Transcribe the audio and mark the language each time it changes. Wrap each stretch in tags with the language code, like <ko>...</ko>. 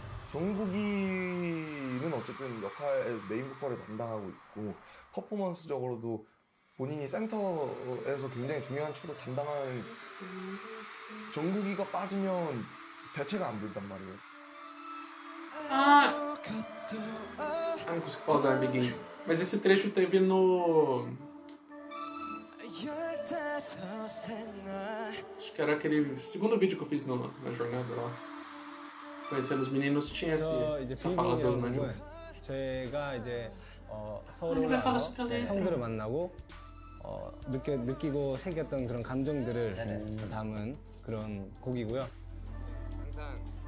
<ko>정국이는 어쨌든 역할 메인 보컬을 담당하고 있고 퍼포먼스적으로도 본인이 센터에서 굉장히 중요한 축을 담당하는 정국이가 빠지면 대체가 안 된단 말이에요. 아, 안</ko> <pt>consigo pausar, amiguinho. Mas esse trecho teve no 15 acho que era aquele segundo vídeo que eu fiz na jornada lá. conhecendo os meninos, tinha esse, essa fala do Namjoon.</pt> <ko>제가 이제 어, 서울을 가서 네, 형들을 만나고 어, 느끼고 생겼던 그런 감정들을 네, 네. 담은 그런 곡이고요. 항상</ko>